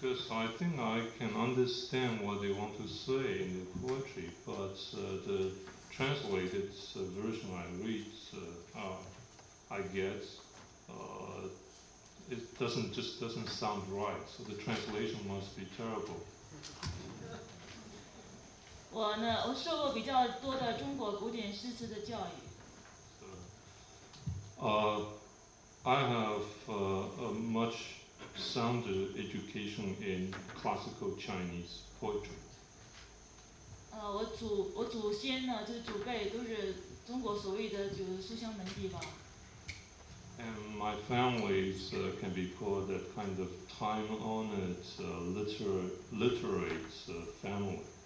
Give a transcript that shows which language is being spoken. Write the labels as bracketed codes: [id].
[en] I think I can understand what they want to say in the poetry, but the translated version I read, it just doesn't sound right, so the translation must be terrible. [zh] 我受过比较多的中国古典诗词的教育。 [en] I have a much sounder education in classical Chinese poetry. [zh] 我祖先呢，就是祖辈都是中国所谓的就是书香门第吧。 [en] And my family can be called that kind of time-honored literate family.